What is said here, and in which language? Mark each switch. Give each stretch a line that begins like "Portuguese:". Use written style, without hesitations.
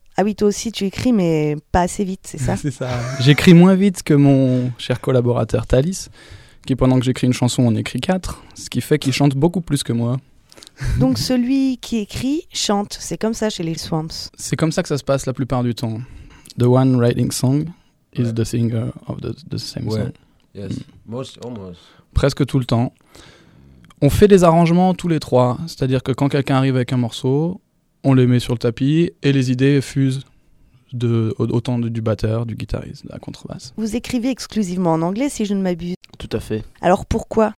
French: Ah oui, toi aussi tu écris, mais pas assez vite, c'est ça? C'est ça. J'écris moins vite que mon cher collaborateur Thalys, qui pendant que j'écris une chanson en écrit 4, ce qui fait qu'il chante beaucoup plus que moi. Donc celui qui écrit, chante, c'est comme ça chez les Swamps? C'est comme ça que ça se passe la plupart du temps.
English: The one writing song is the singer of the same song. Yes, most, almost.
French: Presque tout le temps. On fait des arrangements tous les 3, c'est-à-dire que quand quelqu'un arrive avec un morceau, on les met sur le tapis et les idées fusent autant du batteur, du guitariste, de la contrebasse. Vous écrivez exclusivement en anglais si je ne m'abuse? Tout à fait. Alors pourquoi?